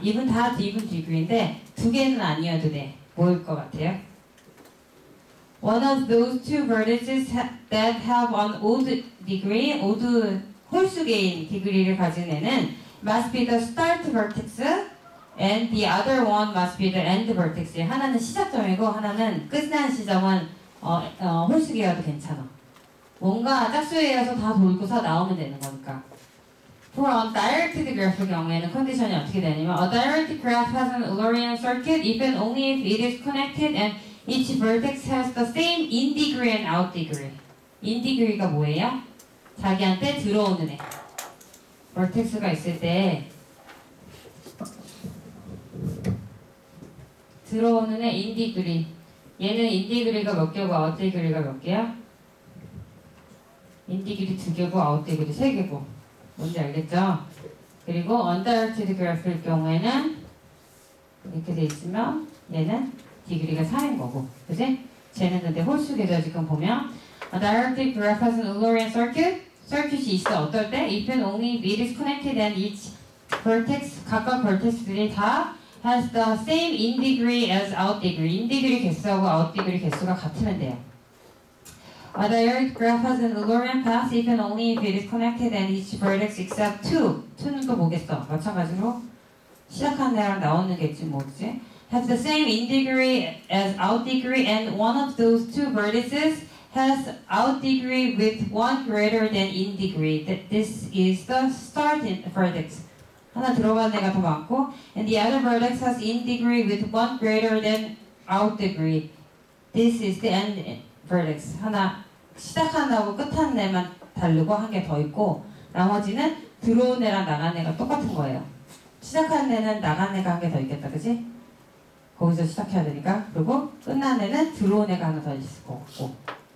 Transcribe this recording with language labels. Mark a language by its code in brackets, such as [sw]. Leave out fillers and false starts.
[ko] Even 다 even degree인데 두 개는 아니어도 돼. 뭐일 것 같아요? [en] One of those two vertices that have an odd degree, odd [ko] 홀수계인 [en] degree [ko] 를 가진 애는 [en] must be the start vertex and the other one must be the end vertex. [ko] 하나는 시작점이고 하나는 끝난 시점은 홀수계여도 괜찮아. 뭔가 짝수에서 다 돌고서 나오면 되는 거니까. [en] For a directed graph [ko] 의 경우에는 컨디션이 어떻게 되냐면 [en] A directed graph has an Eulerian circuit if and only if it is connected and each vertex has the same in degree and out degree. [ko] In degree가 뭐예요? 자기한테 들어오는 애. Vertex가 있을 때 들어오는 애 in degree. 얘는 in degree가 몇 개고 out degree가 몇 개야? In degree 두 개고 out degree 세 개고. 뭔지 알겠죠? 그리고 undirected graph일 경우에는 이렇게 돼 있으면 얘는 디그리가 4인 거고, 그치? 쟤는 근데 홀수계죠, 지금 보면. [en] A directed graph has an Eulerian circuit. Circuit이 [ko] 있어, 어떨 때? [en] If and only if it is connected and each vertex, [ko] 각각 vertex들이 다 [en] has the same in degree as out degree. [ko] In degree 개수하고 out degree 개수가 같으면 돼요. [en] A direct graph has an Eulerian path if and only if it is connected and each vertex except 2. [ko] 2는 또 뭐겠어? 마찬가지로 시작하는 애랑 나오는 게지 뭐지? [en] Have the same in degree as out degree and one of those two vertices has out degree with one greater than in degree. This is the start vertex. [ko] 하나 들어간 애가 더 많고 [en] and the other vertex has in degree with one greater than out degree. This is the end vertex. [ko] 하나 시작한다고 끝하는 애만 다르고 한 개 더 있고 나머지는 들어온 애랑 나간 애가 똑같은 거예요. 시작한 애는 나간 애가 한 개 더 있겠다, 그치? 거기서 시작해야 되니까. 그리고 끝난 애는 들어온 애가 하나 더 있을 것 같고.